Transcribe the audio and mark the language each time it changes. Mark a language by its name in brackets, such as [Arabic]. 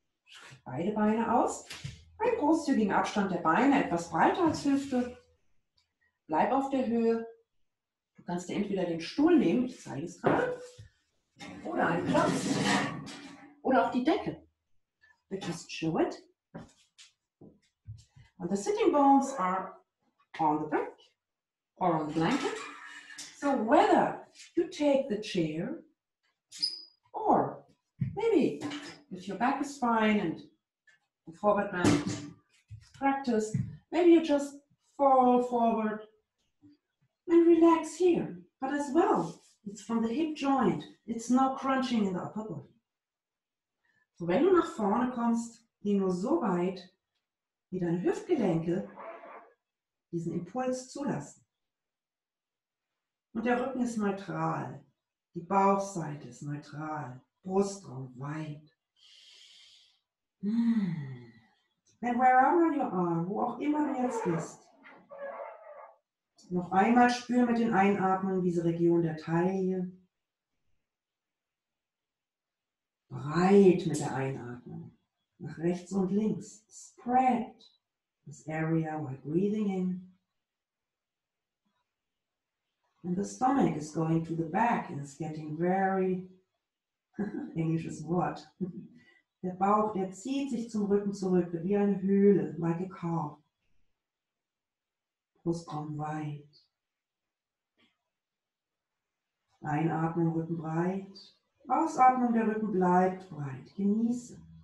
[German] Schreib beide Beine aus. Ein großzügigen Abstand der Beine, etwas breiter als Hüfte. Bleib auf der Höhe. Du kannst dir entweder den Stuhl nehmen, ich zeige es gerade, oder einen Platz, oder auch die Decke. [English] But just show it. And the sitting bones are on the back or on the blanket. So whether you take the chair or maybe if your back is fine and the forward bend practice, maybe you just fall forward and relax here. But as well, it's from the hip joint. It's not crunching in the upper body. [German] So wenn du nach vorne kommst, geh nur so weit, wie deine Hüftgelenke diesen Impuls zulassen. Und der Rücken ist neutral. Die Bauchseite ist neutral. Brustraum weit. [English] And wherever you are, [German] wo auch immer du jetzt bist, noch einmal spür mit den Einatmen diese Region der Taille. Breit mit der Einatmung. Nach rechts und links. [English] Spread this area while breathing in. And the stomach is going to the back and it's getting very... [German] Englisches Wort. Der Bauch, der zieht sich zum Rücken zurück, wie eine Höhle, [English] like a cow. [German] Brustraum weit. Einatmung, Rücken breit. Ausatmung, der Rücken bleibt breit. Genieße.